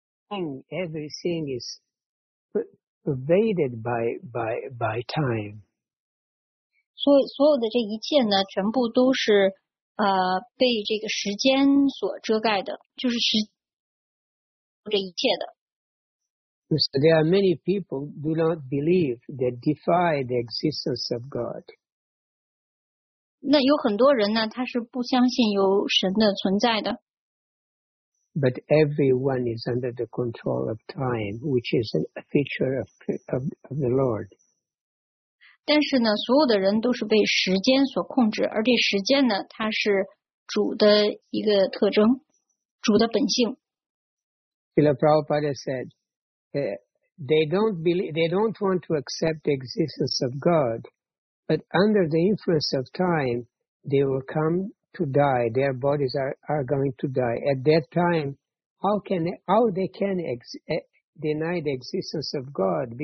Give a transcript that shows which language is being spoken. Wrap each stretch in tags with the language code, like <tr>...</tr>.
<zh>亡。</zh> <en>Everything is pervaded by time.</en> <zh>所有的这一切呢，全部都是被这个时间所遮盖的，就是时。</zh> <en>So there are many people who do not believe, they defy the existence of God.</en> <zh>那有很多人呢，他是不相信有神的存在的。</zh> <en>But everyone is under the control of time, which is a feature of the Lord.</en> <zh>但是呢，所有的人都是被时间所控制，而这时间呢，它是主的一个特征，主的本性。</zh> <en>Srila Prabhupada said, they don't want to accept the existence of God, but under the influence of time, they will come to die. Their bodies are going to die. At that time, how can they deny the existence of God?</en>